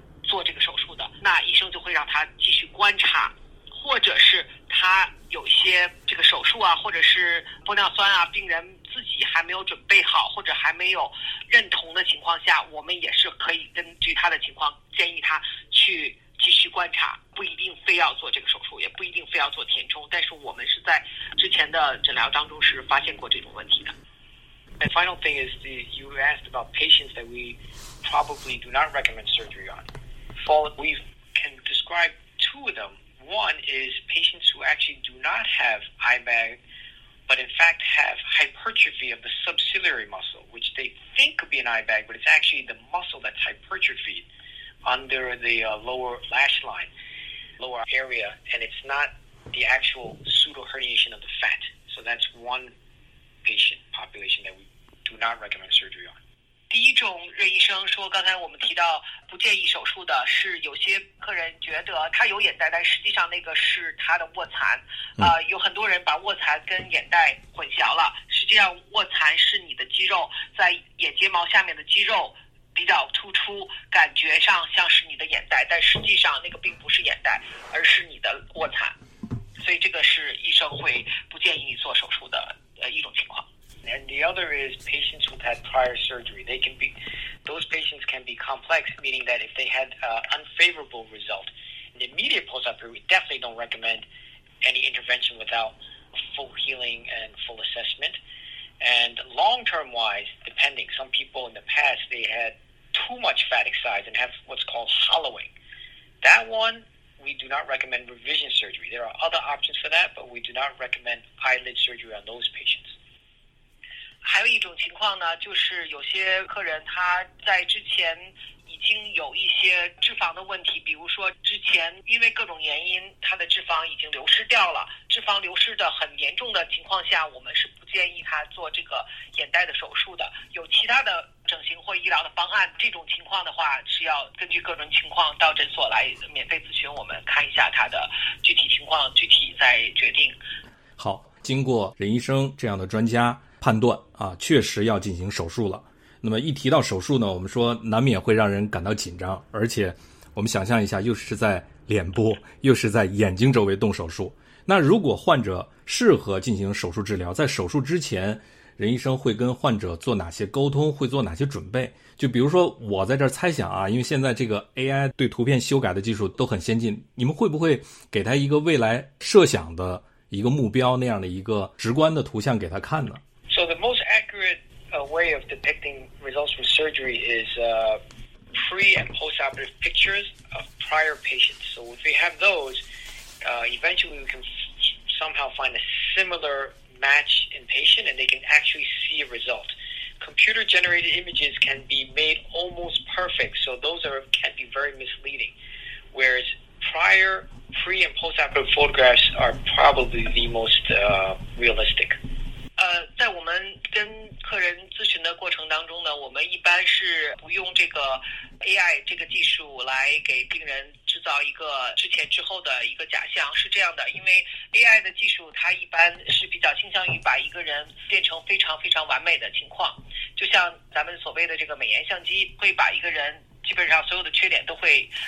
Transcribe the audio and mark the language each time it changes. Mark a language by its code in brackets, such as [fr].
[zh] 做这个手术的，那医生就会让他继续观察，或者是他有一些这个手术啊或者是玻尿酸啊病人自己还没有准备好或者还没有认同的情况下，我们也是可以根据他的情况建议他去继续观察，不一定非要做这个手术，也不一定非要做填充，但是我们是在之前的诊疗当中是发现过这种问题的。 [en] And final thing is you asked about patients that we probably do not recommend surgery on. We can describe two of them. One is patients who actually do not have eye bag, but in fact have hypertrophy of the subciliary muscle, which they think could be an eye bag, but it's actually the muscle that's hypertrophied. Under the lower lash line, lower area, and it's not the actual pseudo herniation of the fat. So that's one patient population that we do not recommend surgery on. [zh] 第一种，任医生说，刚才我们提到不建议手术的是有些客人觉得他有眼袋，但实际上那个是他的卧蚕。有很多人把卧蚕跟眼袋混淆了。实际上，卧蚕是你的肌肉在眼睫毛下面的肌肉。比较突出，感觉上像是你的眼袋，但实际上那个并不是眼袋，而是你的卧蚕，所以这个是医生会不建议你做手术的一种情况。 [en] And the other is patients who had prior surgery. Those patients can be complex, meaning that if they had an unfavorable result in the immediate post-op period, we definitely don't recommend any intervention without full healing and full assessment. And long-term wise, depending, some people in the past, they had too much fat excise and have what's called hollowing. That one, we do not recommend revision surgery. There are other options for that, but we do not recommend eyelid surgery on those patients. [zh] 还有一种情况呢，就是有些客人他在之前已经有一些脂肪的问题，比如说之前因为各种原因他的脂肪已经流失掉了，脂肪流失的很严重的情况下，我们是不建议他做这个眼袋的手术的。有其他的整形或医疗的方案，这种情况的话是要根据个人情况到诊所来免费咨询，我们看一下他的具体情况，具体再决定。好，经过任医生这样的专家判断啊，确实要进行手术了。那么一提到手术呢，我们说难免会让人感到紧张，而且我们想象一下，又是在脸部又是在眼睛周围动手术。那如果患者适合进行手术治疗，在手术之前任医生会跟患者做哪些沟通，会做哪些准备？就比如说我在这儿猜想啊，因为现在这个 AI 对图片修改的技术都很先进，你们会不会给他一个未来设想的一个目标那样的一个直观的图像给他看呢？ [en] So the most accurate way of depicting results from surgery is pre and post-operative pictures of prior patients. So if we have those, eventually we can somehow find a similar match in patient and they can actually see a result. Computer generated images can be made almost perfect, so those can be very misleading. Whereas prior, pre and post-operative photographs are probably the most realistic. [zh] 在我们跟客人咨询的过程当中呢，我们一般是不用这个 AI 这个技术来给病人制造一个之前之后的一个假象，是这样的，因为 AI 的技术它一般是比较倾向于把一个人变成非常非常完美的情况，就像咱们所谓的这个美颜相机会把一个人基本上所有的缺点都会